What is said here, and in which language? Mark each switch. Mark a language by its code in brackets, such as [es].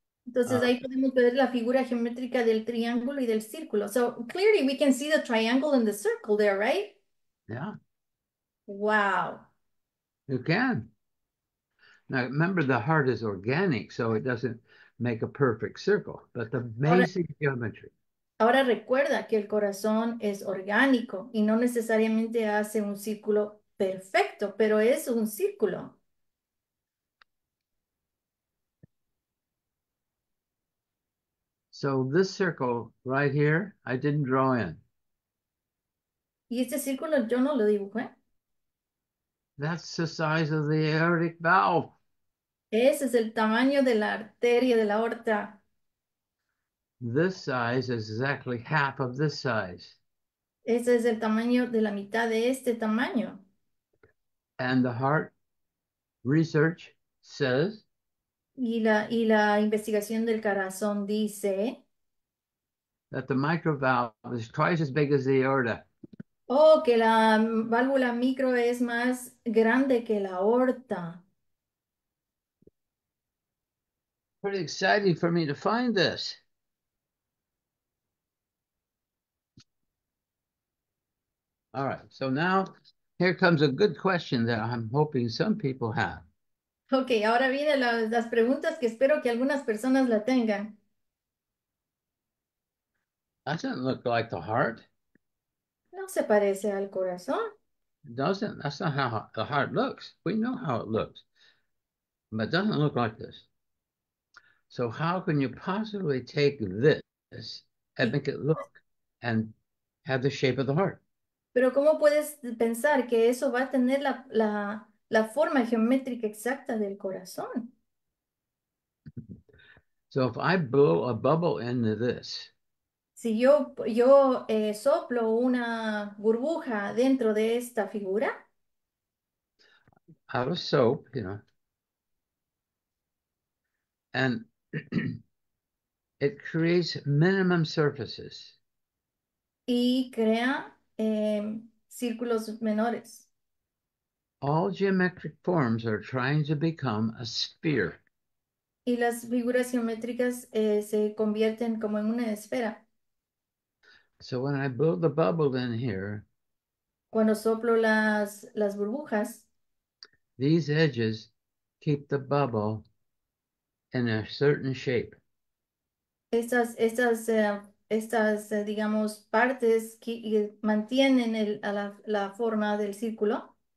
[es] Entonces ahí podemos ver la figura geométrica del triángulo y del círculo. [en] So clearly we can see the triangle and the circle there, right? Yeah. Wow. You can. Now remember, the heart is organic, so it doesn't make a perfect circle, but the basic geometry. [es] Ahora recuerda que el corazón es orgánico y no necesariamente hace un círculo perfecto, pero es un círculo. [en] So this circle right here, I didn't draw in. [es] Y este círculo yo no lo dibujé. [en] That's the size of the aortic valve. [es] Ese es el tamaño de la arteria de la aorta. [en] This size is exactly half of this size. [es] Ese es el tamaño de la mitad de este tamaño. [en] And the heart research says, [es] Y la investigación del corazón dice [en] that the microvalve is twice as big as the aorta. [es] Oh, que la válvula micro es más grande que la aorta. [en] Pretty exciting for me to find this. All right, so now here comes a good question that I'm hoping some people have. [es] Okay, ahora vienen las preguntas que espero que algunas personas la tengan. [en] Doesn't look like the heart. [es] No se parece al corazón. [en] Doesn't, that's not how the heart looks. We know how it looks, but it doesn't look like this. So how can you possibly take this and make it look and have the shape of the heart? [es] Pero ¿cómo puedes pensar que eso va a tener la forma geométrica exacta del corazón? [en] So if I blow a bubble into this, [es] Si yo soplo una burbuja dentro de esta figura, [en] out of soap, you know, and it creates minimum surfaces. [es] Y crea círculos menores. [en] All geometric forms are trying to become a sphere. [es] Y las figuras geométricas se convierten como en una esfera. [en] So when I blow the bubble in here, [es] Cuando soplo las burbujas, [en] these edges keep the bubble in a certain shape. [es] Estas digamos partes que mantienen la forma del círculo.